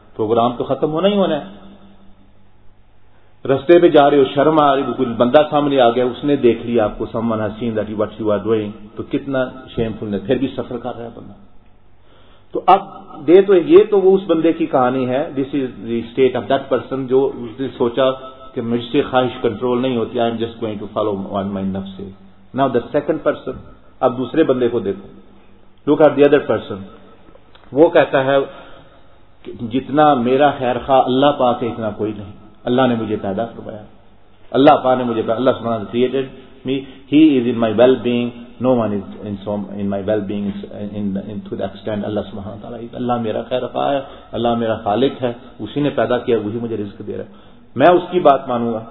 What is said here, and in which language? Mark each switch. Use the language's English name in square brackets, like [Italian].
[Urdu] Programme تو ختم ہونا ہی ہونا ہے, رستے پہ جا رہے ہو, شرم آ رہی, کوئی بندہ سامنے آ گیا, اس نے دیکھ لیا آپ کو, [English] someone has seen that what you are doing, [Urdu] تو کتنا شیم فل ہے, پھر بھی سفر کر رہا ہے بندہ. تو اب دے تو یہ تو وہ اس بندے کی کہانی ہے, [English] this is the state of that person [Urdu] جو اس نے سوچا کہ مجھ سے خواہش کنٹرول نہیں ہوتی, [English] I am just going to follow on my نفس. Now the second person, [Urdu] اب دوسرے بندے کو دیکھو, [English] Look at the other person. [Urdu] وہ کہتا ہے کہ جتنا میرا خیر خواہ اللہ پاک اتنا کوئی نہیں, اللہ نے مجھے پیدا کروایا, اللہ پاک نے مجھے, [English] اللہ سبحانہ وتعالیٰ created me, he is in my wellbeing, no one is in some in my wellbeing in to the extent, [Urdu] اللہ سبحانہ وتعالیٰ, اللہ میرا خیر خواہ ہے, اللہ میرا خالق ہے, اسی نے پیدا کیا, وہی مجھے رزق دے رہا ہے, میں اس کی بات مانوں گا.